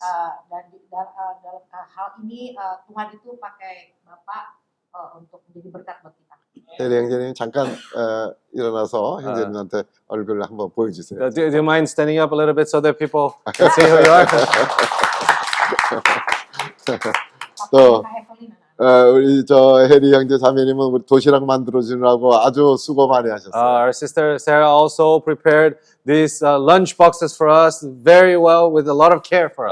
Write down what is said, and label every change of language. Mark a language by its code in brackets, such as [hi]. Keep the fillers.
[id] Uh, dan, dan, dalam hal ini Tuhan itu pakai Bapak untuk menjadi berkat buat kita. [ko] 대령자님 잠깐 uh, 일어나서 형제님한테 uh, 얼굴을 한번 보여주세요. [en] Do, do you mind standing up a little bit so that people can see who you are? [ko] 또 uh, 우리 저 해리 형제 자매님은 우리 도시락 만들어주느라고 아주 수고 많이 하셨어요. [en] Uh, our sister Sarah also prepared these uh, lunch boxes for us very well with a lot of care for